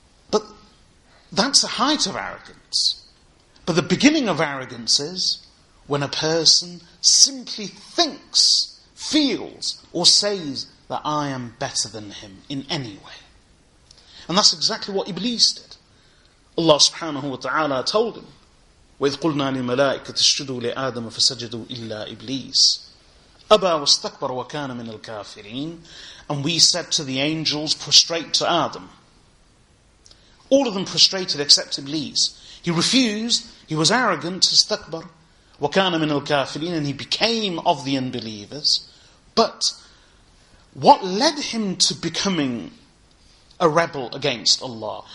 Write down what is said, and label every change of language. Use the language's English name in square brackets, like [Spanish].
[English] But that's a height of arrogance. But the beginning of arrogance is when a person simply thinks, feels, or says that I am better than him in any way. And that's exactly what Iblis did. [Arabic] Allah subhanahu wa ta'ala told him, وَإِذْ قُلْنَا لِلْمَلَائِكَةِ اسْجُدُوا لِآدَمَ فَسَجَدُوا إِلَّا إِبْلِيسَ أَبَى وَاسْتَكْبَرَ وَكَانَ مِنَ الْكَافِرِينَ. [English] And we said to the angels, prostrate to Adam. All of them prostrated except Iblis. He refused, he was arrogant, استكبر وَكَانَ مِنَ الْكَافِرِينَ, and he became of the unbelievers. But what led him to becoming a rebel against Allah?